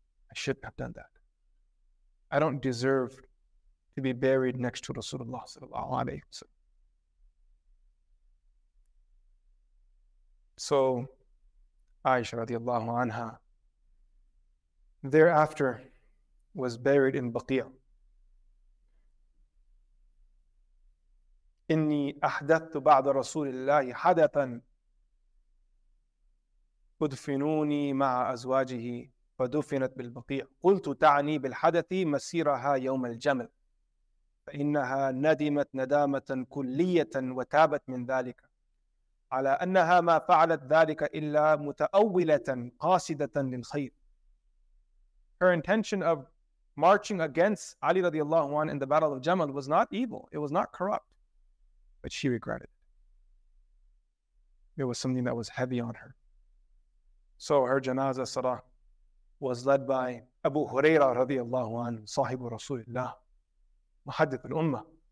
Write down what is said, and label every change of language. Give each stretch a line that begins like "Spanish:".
English: I shouldn't have done that. I don't deserve to be buried next to Rasulullah sallallahu alaihi wasallam. So Aisha radiallahu anha thereafter was buried in Baqiyah.
Arabic: إني أحدثت بعد رسول الله حدثا أدفنوني مع أزواجه فدفنت بالبقيع قلت تعني بالحدث مسيرها يوم الجمل فإنها ندمت ندامة كلية وتابت من ذلك على أنها ما فعلت ذلك إلا متأولة قاصدة للخير.
English: Her intention of marching against Ali radiallahu anhu in the battle of Jamal was not evil. It was not corrupt. But she regretted it. It was something that was heavy on her. So her janazah salah was led by Abu Huraira radiallahu anhu,
Arabic: sahibu rasulillah, muhaddith al-ummah.